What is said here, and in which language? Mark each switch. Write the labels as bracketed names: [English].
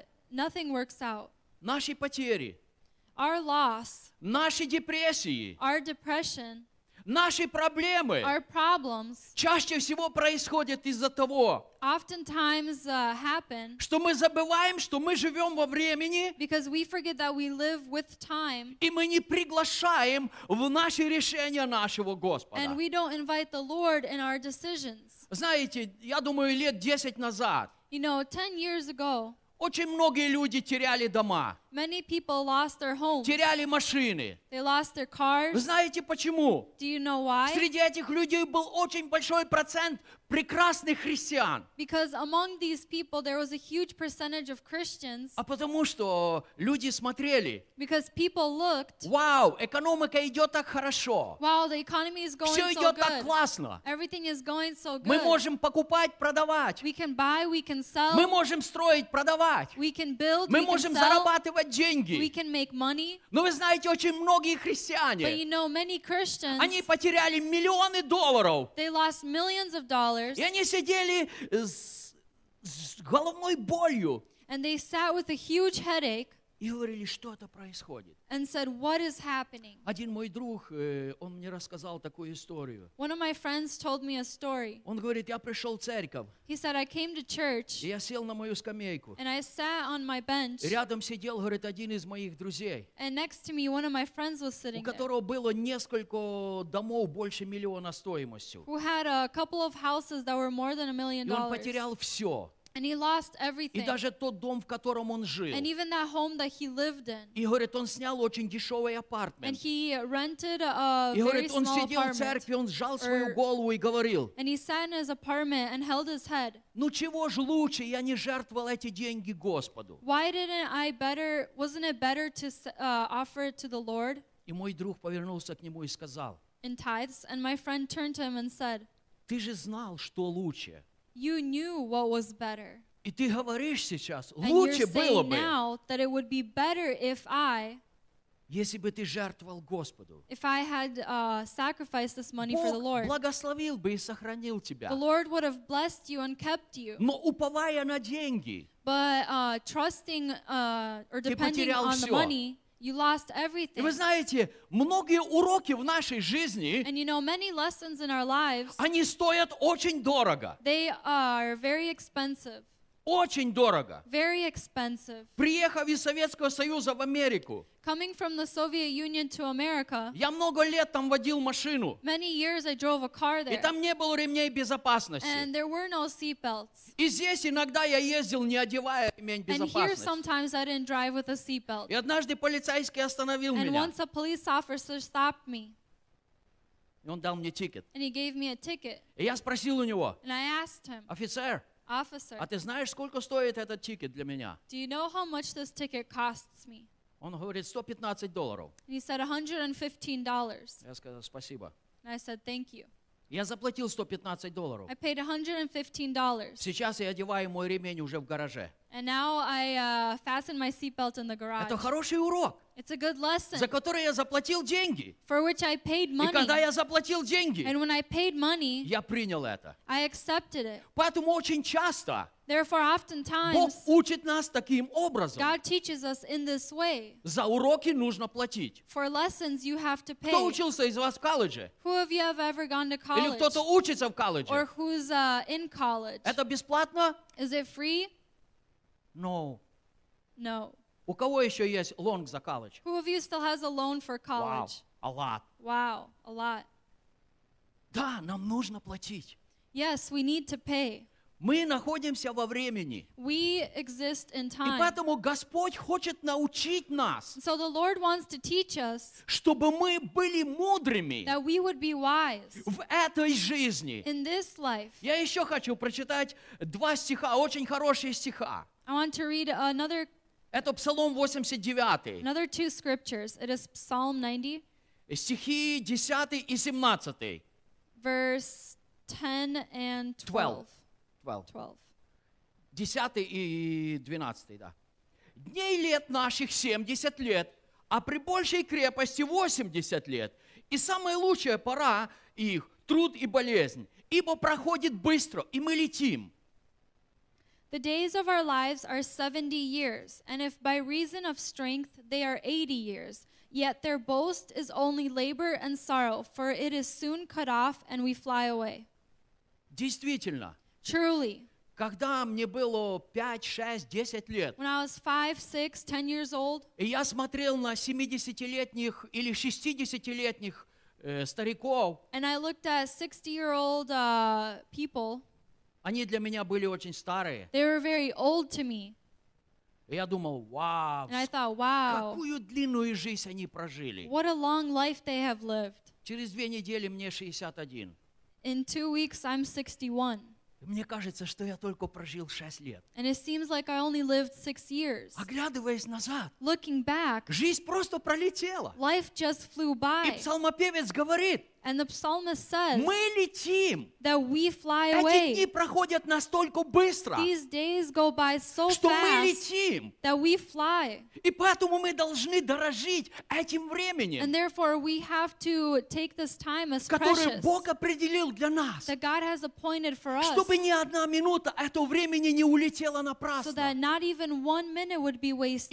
[English] Nothing works out. [Russian] Наши потери, [English] our loss, [Russian] наши депрессии, [English] our depression, [Russian] наши проблемы, [English] our problems, [Russian] чаще всего происходят из-за того, [English] oftentimes, happen, [Russian] что мы забываем, что мы живем во времени, [English] because we forget that we live with time, [Russian] и мы не приглашаем в наши решения нашего Господа. [English] And we don't invite the Lord in our decisions. [Russian] Знаете, я думаю, лет 10 назад, [English] you know, 10 years ago, [Russian] очень многие люди теряли дома. [English] Many people lost their homes. [Russian] Теряли машины. [English] They lost their cars. [Russian] Вы знаете почему? [English] Do you know why? [Russian] Среди этих людей был очень большой процент прекрасных христиан. [English] Because among these people there was a huge percentage of Christians. [Russian] А потому что люди смотрели. [English] Because people looked. [Russian] Вау, экономика идет так хорошо. [English] Wow, the economy is going so good. [Russian] Все идет так классно. [English] Everything is going so good. [Russian] Мы можем покупать, продавать. [English] We can buy, we can sell. [Russian] Мы можем строить, продавать. [English] We can build, [Russian] мы [English] we [Russian] можем [English] can sell. [Russian] Зарабатывать. Деньги. [English] We can make money. [Russian] Но вы знаете, очень многие христиане, [English] but you know, many Christians, [Russian] они потеряли миллионы долларов. [English] They lost millions of dollars. [Russian] И они сидели с головной болью. [English] And they sat with a huge headache. [Russian] И говорили, что это происходит. [English] And said, what is happening? [Russian] Один мой друг, он мне рассказал такую историю. [English] One of my friends told me a story. [Russian] Он говорит, я пришел в церковь. [English] He said, I came to church. [Russian] И я сел на мою скамейку. [English] And I sat on my bench. [Russian] Рядом сидел, говорит, один из моих друзей. [English] And next to me, one of my friends was sitting there. [Russian] У которого [English] there. [Russian] Было несколько домов больше миллиона стоимостью. [English] Who had a couple of houses that were more than $1 million. [Russian] И он потерял все. [English] And he lost everything. [Russian] И даже тот дом, в котором он жил. [English] And even that home that he lived in. [Russian] И говорит, он снял очень дешевый апартмент. [English] And he rented a [Russian] и [English] very small [Russian] говорит, он [English] small [Russian] сидел [English] apartment. [Russian] В церкви, он сжал [English] or, [Russian] свою голову и говорил. [English] And he sat in his apartment and held his head. [Russian] Ну чего ж лучше, я не жертвовал эти деньги Господу. [English] Why didn't I better, wasn't it better to offer it to the Lord? [Russian] И мой друг повернулся к нему и сказал. [English] In tithes, and my friend turned to him and said. [Russian] Ты же знал, что лучше. [English] You knew what was better. [Russian] И ты говоришь сейчас, [English] and [Russian] лучше [English] you're saying [Russian] было бы, [English] now that it would be better if I, [Russian] если бы ты жертвовал Господу, [English] if I had sacrificed this money [Russian] Бог [English] for the Lord, [Russian] благословил бы и сохранил тебя. [English] The Lord would have blessed you and kept you. [Russian] Но уповая на деньги, [English] but trusting or depending [Russian] ты потерял [English] on [Russian] все. [English] The money, you lost everything. [Russian] И вы знаете, многие уроки в нашей жизни, [English] and you know, many lessons in our lives, [Russian] они стоят очень дорого. [English] They are very expensive. [Russian] Очень дорого. [English] Very expensive. [Russian] Приехав из Советского Союза в Америку, [English] coming from the Soviet Union to America, [Russian] я много лет там водил машину, [English] many years I drove a car there, [Russian] и там не было ремней безопасности. [English] And there were no seat belts. [Russian] И здесь иногда я ездил, не одевая ремень безопасности. [English] And here sometimes I didn't drive with a seat belt. [Russian] И однажды полицейский остановил [English] and [Russian] меня. [English] Once a police officer stopped me. [Russian] И он дал мне тикет. [English] And he gave me a ticket. [Russian] И я спросил у него, [English] and I asked him, [Russian] офицер, [English] officer, [Russian] а ты знаешь, сколько стоит этот тикет для меня? [English] Do you know how much this ticket costs me? [Russian] Он говорит, $115. [English] He said, $115. [Russian] Я сказал, спасибо. [English] And I said, thank you. [Russian] Я заплатил $115. [English] I paid $115. [Russian] Сейчас я одеваю мой ремень уже в гараже. [English] And now I fasten my seatbelt in the garage. [Russian] Это хороший урок. [English] It's a good lesson. [Russian] За который я заплатил деньги. [English] For which I paid money. [Russian] И когда я заплатил деньги, [English] and when I paid money, [Russian] я принял это. [English] I accepted it. [Russian] Поэтому очень часто, [English] therefore, oftentimes, [Russian] Бог учит нас таким образом. [English] God teaches us in this way. [Russian] За уроки нужно платить. [English] For lessons, you have to pay. [Russian] Кто учился из вас в колледже? [English] Who of you have ever gone to college? [Russian] Или кто-то учится в колледже? [English] Or who's in college? [Russian] Это бесплатно? [English] Is it free? No. No. [Russian] У кого еще есть [English] loan [Russian] за колледж? [English] Who of you still has a loan for college? Wow, a lot. Wow, a lot. [Russian] Да, нам нужно платить. [English] Yes, we need to pay. [Russian] Мы находимся во времени. [English] We exist in time. [Russian] И поэтому Господь хочет научить нас, [English] so the Lord wants to teach us, [Russian] чтобы мы были мудрыми, [English] that we would be wise, [Russian] в этой жизни. [English] In this life. [Russian] Я еще хочу прочитать два стиха, очень хорошие стиха. [English] I want to read another, [Russian] это Псалом 89. [English] Another two scriptures. It is Psalm 90. [Russian] Стихи 10 и 17. [English] Verse 10 and 12. [Russian] 12. 10 и 12, да. Дней лет наших 70 лет, а при большей крепости 80 лет. И самая лучшая пора их – труд и болезнь, ибо проходит быстро, и мы летим. [English] The days of our lives are 70 years, and if by reason of strength they are 80 years, yet their boast is only labor and sorrow, for it is soon cut off, and we fly away. [Russian] Действительно. [English] Truly. [Russian] Когда мне было 5, 6, 10 лет, [English] when I was 5, 6, 10 years old, [Russian] и я смотрел на 70-летних или 60-летних стариков, [English] and I looked at 60-year-old people, [Russian] они для меня были очень старые. [English] They were very old to me. [Russian] И я думал, вау, [English] and I thought, wow, [Russian] какую длинную жизнь они прожили. [English] What a long life they have lived. [Russian] Через две недели мне 61. [English] In 2 weeks, I'm 61. [Russian] Мне кажется, что я только прожил 6 лет. [English] And it seems like I only lived 6 years. [Russian] Оглядываясь назад, [English] looking back, [Russian] жизнь просто пролетела. [English] Life just flew by. [Russian] И псалмопевец говорит, [English] and the psalmist says, [Russian] мы летим. [English] That we fly [Russian] эти [English] away. [Russian] Дни проходят настолько быстро, [English] these days go by so [Russian] что [English] fast, [Russian] мы летим. [English] That we fly. [Russian] И поэтому мы должны дорожить этим временем, [English] and therefore we have to take this time as [Russian] которое [English] precious, [Russian] Бог определил для нас, [English] that God has appointed for us, [Russian] чтобы ни одна минута этого времени не улетела напрасно. [English] So that not even 1 minute would be wasted.